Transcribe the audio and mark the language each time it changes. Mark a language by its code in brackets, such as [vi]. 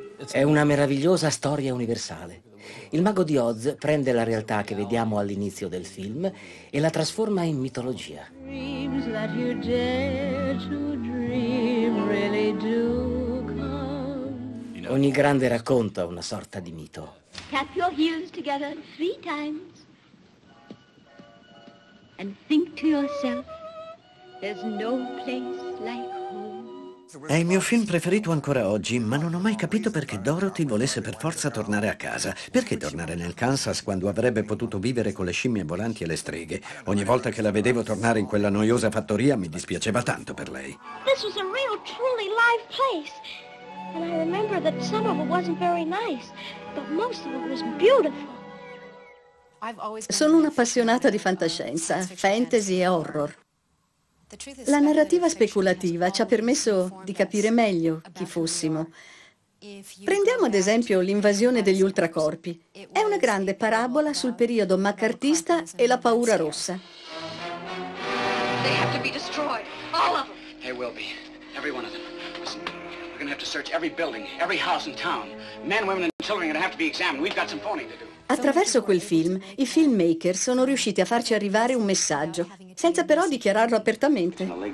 [it] È una meravigliosa storia universale. Il Mago di Oz prende la realtà che vediamo all'inizio del film e la trasforma in mitologia. Ogni grande racconto ha una sorta di mito. [en] Tap your heels together 3 times and think to yourself, there's no place like home. [it] È il mio film preferito ancora oggi, ma non ho mai capito perché Dorothy volesse per forza tornare a casa. Perché tornare nel Kansas quando avrebbe potuto vivere con le scimmie volanti e le streghe? Ogni volta che la vedevo tornare in quella noiosa fattoria mi dispiaceva tanto per lei. [en] This was a real, truly live place. And I remember that some of it wasn't very nice, but most of it was beautiful. [it] Sono un'appassionata di fantascienza, fantasy e horror. La narrativa speculativa ci ha permesso di capire meglio chi fossimo. Prendiamo ad esempio l'invasione degli ultracorpi. È una grande parabola sul periodo maccartista e la paura rossa. [en] They have to be destroyed, all of them. They will be, every one of them. We're gonna have to search every building, every house in town. Men, women and children are gonna have to be examined. We've got some phoning to do. [it] Attraverso quel film, i filmmaker sono riusciti a farci arrivare un messaggio, senza però dichiararlo apertamente.